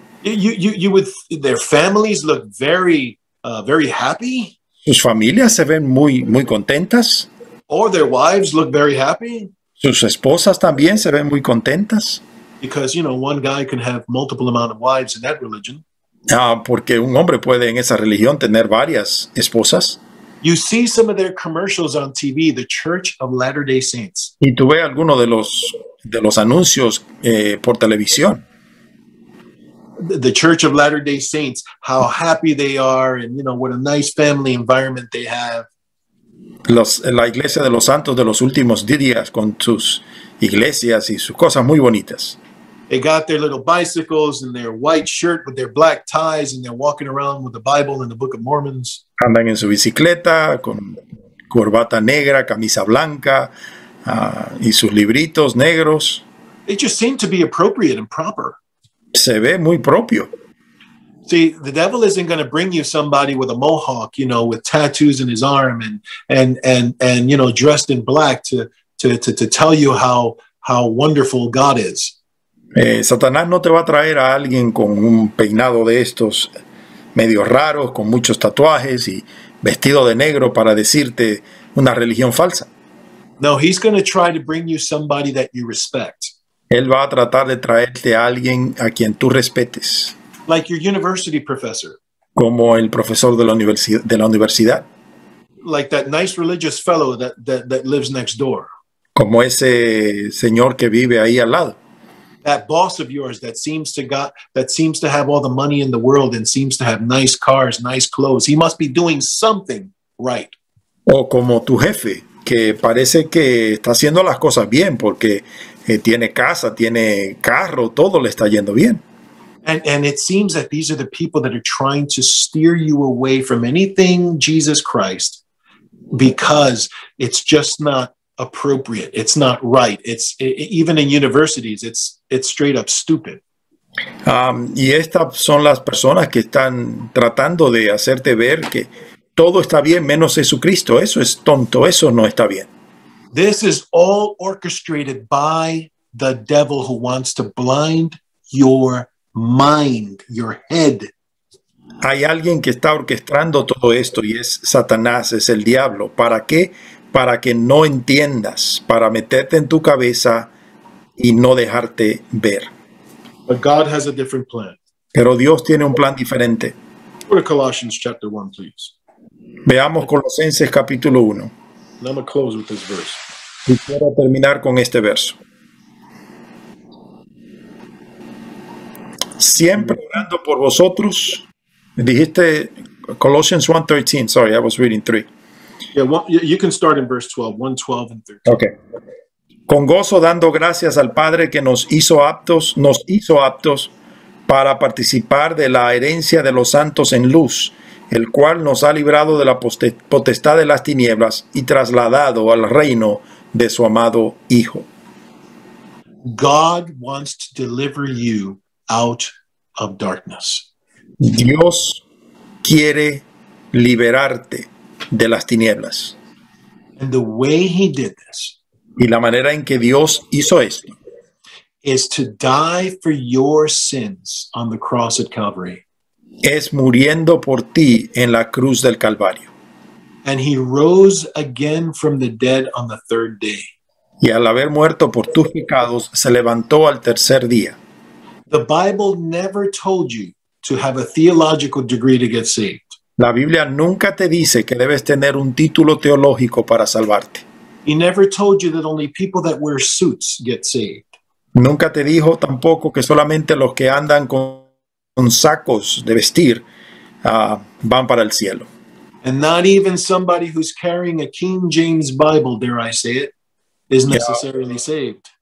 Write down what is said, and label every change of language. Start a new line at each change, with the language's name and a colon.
English: You would, their families look very very happy.
Spanish: Sus familias se ven muy contentas.
English: Or their wives look very happy.
Spanish: Sus esposas también se ven muy contentas.
English: Because, you know, one guy can have multiple amount of wives in that religion.
Spanish: Ah, porque un hombre puede en esa religión tener varias esposas.
English: You see some of their commercials on TV, the Church of Latter-day Saints.
Spanish: Y tú ves alguno de los anuncios por televisión.
English: The Church of Latter-day Saints, how happy they are, and you know what a nice family environment they have.
Spanish: La iglesia de los santos de los últimos días con sus iglesias y sus cosas muy bonitas.
English: They got their little bicycles and their white shirt with their black ties, and they're walking around with the Bible and the Book of Mormons.
Spanish: Andan en su bicicleta con corbata negra, camisa blanca, y sus libritos negros.
English: They just seem to be appropriate and proper.
Spanish: Se ve muy propio.
English: See, the devil isn't going to bring you somebody with a mohawk, you know, with tattoos in his arm and you know, dressed in black to tell you how wonderful God is.
Spanish: Satanás no te va a traer a alguien con un peinado de estos medio raros, con muchos tatuajes y vestido de negro para decirte una religión falsa.
English: No, he's going to try to bring you somebody that you respect.
Spanish: Él va a tratar de traerte a alguien a quien tú respetes.
English: Like your university professor.
Spanish: Como el profesor de la universidad.
English: Like that nice religious fellow that lives next door.
Spanish: Como ese señor que vive ahí al lado.
English: That boss of yours that seems to have all the money in the world and seems to have nice cars, nice clothes. He must be doing something right.
Spanish: O como tu jefe, que parece que está haciendo las cosas bien porque tiene casa, tiene carro, todo le está yendo bien.
English: And it seems that these are the people that are trying to steer you away from anything Jesus Christ because it's just not appropriate. It's not right. It's even in universities, it's straight up stupid.
Spanish: Y estas son las personas que están tratando de hacerte ver que todo está bien menos Jesucristo. Eso es tonto. Eso no está bien.
English: This is all orchestrated by the devil who wants to blind your mind, your head.
Spanish: Hay alguien que está orquestando todo esto y es Satanás, es el diablo. ¿Para qué? Para que no entiendas, para meterte en tu cabeza y no dejarte ver.
English: But God has a different plan.
Spanish: Pero Dios tiene un plan diferente.
English: Go to Colossians chapter 1, please.
Spanish: Veamos Colosenses capítulo 1.
English: And I'm going to close with this verse.
Spanish: Y quiero terminar con este verso. Siempre orando por vosotros. Dijiste
English: Colossians 1:13. Sorry, I was reading 3. Yeah, well, you can start in verse 12. 1:12 and 13. Okay.
Spanish: Con gozo dando gracias al Padre que nos hizo aptos para participar de la herencia de los santos en luz, el cual nos ha librado de la potestad de las tinieblas y trasladado al reino de su amado Hijo.
English: God wants to deliver you out of darkness.
Spanish: Dios quiere liberarte de las tinieblas.
English: And the way he did this,
Spanish: y la manera en que Dios hizo esto,
English: is to die for your sins on the cross at Calvary.
Spanish: Es muriendo por ti en la cruz del Calvario.
English: And he rose again from the dead on the third day.
Spanish: Y al haber muerto por tus pecados, se levantó al tercer día.
English: The Bible never told you to have a theological degree to get saved.
Spanish: La Biblia nunca te dice que debes tener un título teológico para salvarte.
English: He never told you that only people that wear suits get saved.
Spanish: Nunca te dijo tampoco que solamente los que andan con sacos de vestir van para el cielo.
English: And not even somebody who's carrying a King James Bible, dare I say it, is necessarily saved.